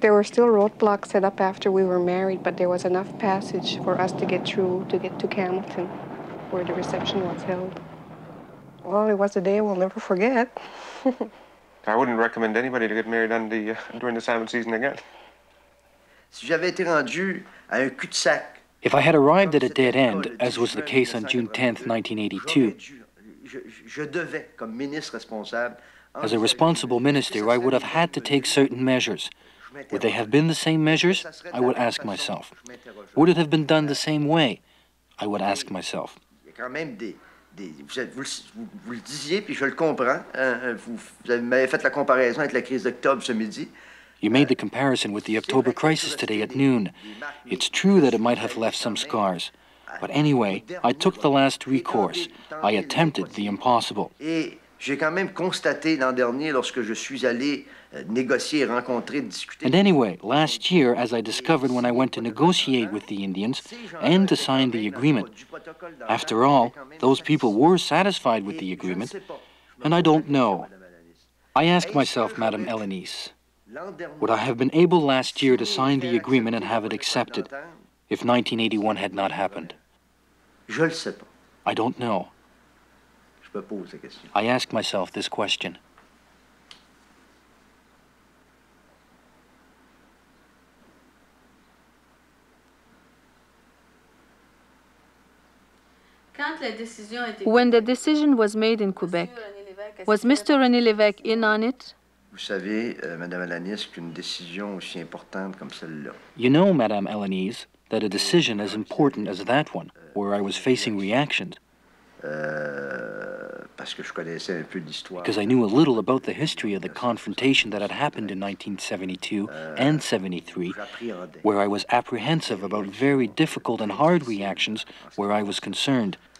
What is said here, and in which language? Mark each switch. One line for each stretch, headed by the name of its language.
English: There were still roadblocks set up after we were married, but there was enough passage for us to get through to get to Hamilton, where the reception was held. Well, it was a day we'll never forget. I wouldn't recommend anybody to get married on the during the salmon season again.
French: Si j'avais été rendu à un cul-de-sac.
English: If I had arrived at a dead end, as was the case on June 10th, 1982,
French: je devais comme ministre responsable.
English: As a responsible minister, I would have had to take certain measures. Would they have been the same measures? I would ask myself. Would it have been done the same way? I would ask myself.
French: Vous le disiez, puis je le comprends. Vous m'avez fait la comparaison avec la crise d'octobre ce midi.
English: You made the comparison with the October crisis today at noon. It's true that it might have left some scars. But anyway, I took the last recourse. I attempted the impossible.
French: Et j'ai quand même constaté l'an dernier, lorsque je suis allé négocier, rencontrer, discuter.
English: And anyway, last year, as I discovered when I went to negotiate with the Indians and to sign the agreement, after all, those people were satisfied with the agreement, and I don't know. I ask myself, Madame Alanis, would I have been able last year to sign the agreement and have it accepted if 1981 had not happened?
French: Je le sais pas.
English: I don't know. I ask myself this question. When the decision was made in Quebec, was Mr. René Lévesque in on it?
French: Vous savez, Madame Alanis, qu'une décision aussi importante comme celle-là.
English: You know, Madame Alanis, that a decision as important as that one, where I was facing reactions.
French: Parce que je connaissais un peu l'histoire.
English: Because I knew a little about the history of the confrontation that had happened in 1972 and 73, where I was apprehensive about very difficult and hard reactions where I was concerned.